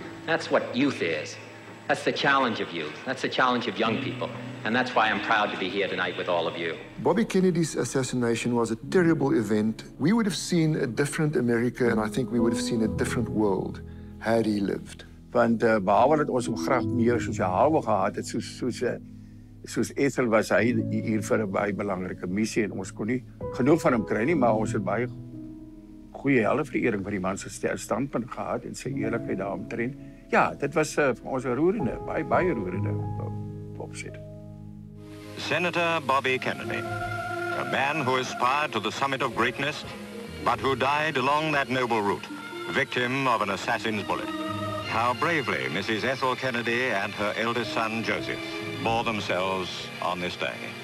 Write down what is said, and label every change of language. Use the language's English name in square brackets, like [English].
[English] That's what youth is. That's the challenge of youth. That's the challenge of young people. And that's why I'm proud to be here tonight with all of you. Bobby Kennedy's assassination was a terrible event. We would have seen a different America, and I think we would have seen a different world had he lived. [Afrikaans] Want behalwe dat ons hom graag meer sosiaal wou gehad het, soos Ethel was hy hier vir 'n baie belangrike missie en ons kon nie genoeg van hem kry nie, maar ons het baie goeie helvereering vir die man se standpunt gehad en sy eerlikheid daaromtrent. Ja, dit was vir ons 'n roerende, baie roerende opzet. [English] Senator Bobby Kennedy, a man who aspired to the summit of greatness, but who died along that noble route, victim of an assassin's bullet. How bravely Mrs. Ethel Kennedy and her eldest son, Joseph, bore themselves on this day.